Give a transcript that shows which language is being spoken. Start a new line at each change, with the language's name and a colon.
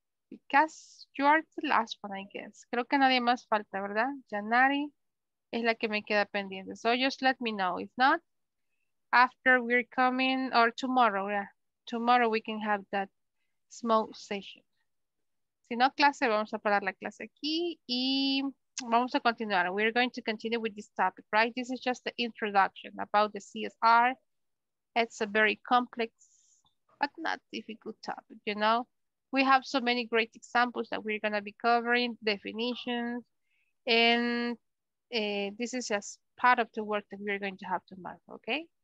English: Because you are the last one, I guess.
Spanish: Creo que nadie más falta, ¿verdad? Yanari es la que me queda pendiente.
English: So just let me know. If not, after we're coming, or tomorrow, yeah. Tomorrow we can have that small session.
Spanish: Si no clase, vamos a parar la clase aquí y vamos a continuar.
English: We're going to continue with this topic, right? This is just the introduction about the CSR. It's a very complex, but not difficult topic, you know? We have so many great examples that we're going to be covering, definitions, and this is just part of the work that we're going to have tomorrow, okay?